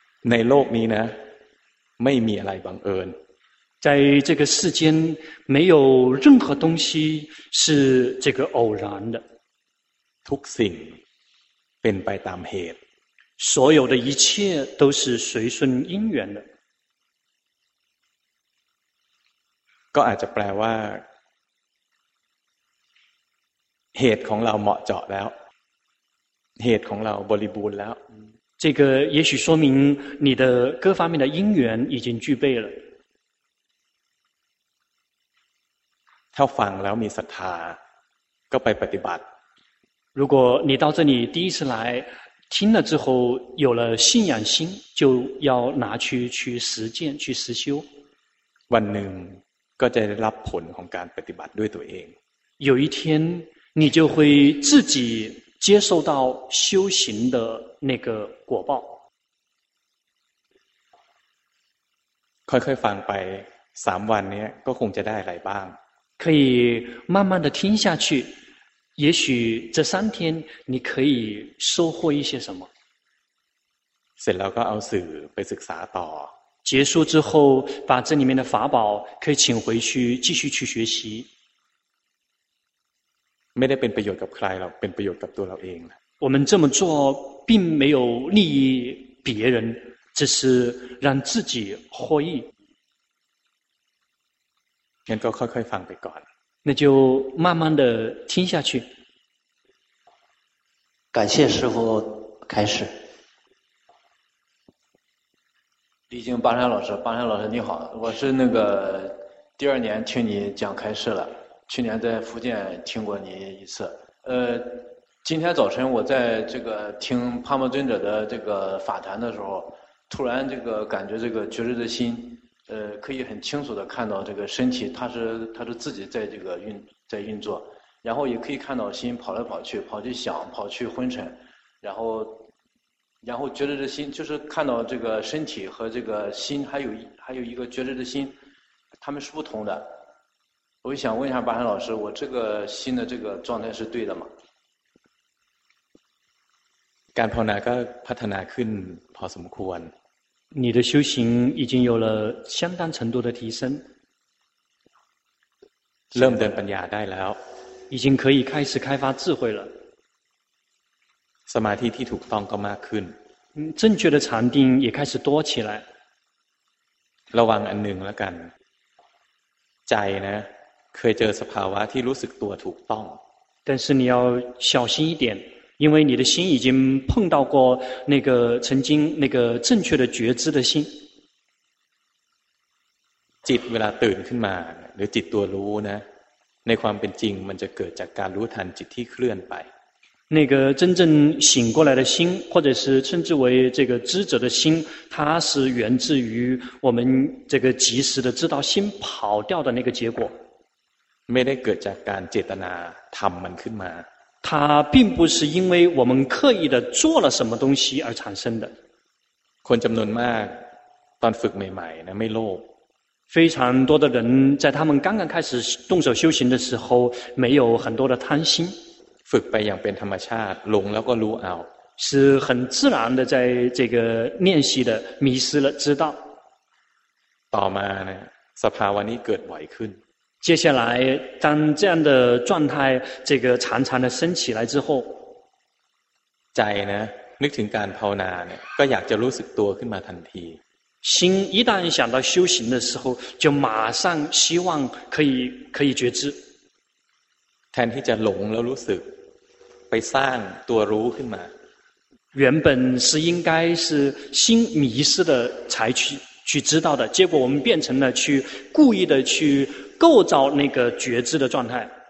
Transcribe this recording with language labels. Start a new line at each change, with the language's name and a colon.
Thai: ในโลกนี้นะไม่มีอะไรบังเอิญ
Chinese: 在这个世间没有任何东西是这个偶然的
Thai: ทุกสิ่งเป็นไปตามเหตุ
Chinese: 所有的一切都是随顺因缘的
Thai: ก็อาจจะแปลว่าเหตุของเราเหมาะเจาะแล้วเหตุของเราบริบูรณ์แล้ว
Chinese: 这个也许说明你的各方面的因缘已经具备了
Thai: ถ้าฟังแล้วมีศรัทธาก็ไปปฏิบัติ
Chinese: 如果你到这里第一次来听了之后有了信仰心就要拿去实践去实修
Thai: วันหนึ่งก็จะได้รับผลของการปฏิบัติด้วยตัวเอง
Chinese: 有一天你就会自己接受到修行的那个果报
Thai: ค่อยๆฟังไป3วันนี้ก็คงจะได้อะไรบ้าง
Chinese: 可以慢慢的听下去也许这三天你可以收获一些什么
Thai: เสร็จแล้วก็เอาสื่อไปศึกษาต่อ
Chinese: 结束之后把这里面的法宝可以请回去继续去学习
Thai: ไม่ได้เป็นประโยชน์กับใครหรอกเป็นประโยชน์กับตัวเราเอง
Chinese: 我们这么做并没有利益别人只是让自己获益
Thai: งั้นก็ค่อยๆฟังไปก่อน
Chinese: 那就慢慢的听下去感谢师父开始李静巴山老师巴山老师你好我是那个第二年听你讲开示了去年在福建听过您一次今天早晨我在这个听帕玛尊者的这个法谈的时候突然这个感觉这个觉知的心可以很清楚的看到这个身体它是自己在这个运作然后也可以看到心跑来跑去跑去想跑去昏沉然后觉知的心就是看到这个身体和这个心还有一个觉知的心他们是不同的我想问一下巴山老师我这个心的这个状态是对的吗
Thai: การภาวนาก็พัฒนาขึ้นพอสมควร
Chinese: 你的修行已经有了相当程度的提升
Thai: เริ่มเดินปัญญาได้แล้ว
Chinese: 已经可以开始开发智慧了
Thai: สมาธิที่ถูกต้องก็มากขึ้น
Chinese: 正确的禅定也开始多起来
Thai: ระวังอันหนึ่งแล้วกันใจนะเคยเจอสภาวะที่รู้สึกตัวถูกต้อง
Chinese: 但是你要小心一点因为你的心已经碰到过那个曾经那个正确的觉知的心
Thai: จิตเวลาตื่นขึ้นมาหรือจิตตัวรู้นะในความเป็นจริงมันจะเกิดจากการรู้ทันจิตที่เคลื่อนไป
Chinese: 那个真正醒过来的心或者是称之为这个知者的心它是源自于我们这个及时的知道心跑掉的那个结果
Thai: ไม่ได้เกิดจากการเจตนาทำมันขึ้นมา
Chinese: 它并不是因为我们刻意的做了什么东西而产生的
Thai: คนจำนวนมากตอนฝึกใหม่ๆนะไม่โลภ
Chinese: 非常多的人在他们刚刚开始动手修行的时候没有很多的贪心
Thai: ฝึกไปอย่างเป็นธรรมชาติหลงแล้วก็รู้เอา
Chinese: 是很自然的在这个练习的迷失了知道
Thai: ต่อมาเนี่ยสภาวะนี้เกิดบ่อยขึ้น
Chinese: 接下来当这样的状态这个常常的升起来之后
Thai: ใจนะนึกถึงการภาวนาเนี่ยก็อยากจะรู้สึกตัวขึ้นมาทันที
Chinese: 心一旦想到修行的时候就马上希望可以觉知
Thai: แทนที่จะหลงแล้วรู้สึกไปสร้างตัวรู้ขึ้นมา
Chinese: 原本是应该是心迷失的才去知道的结果我们变成了去故意的去构造那个觉知的状态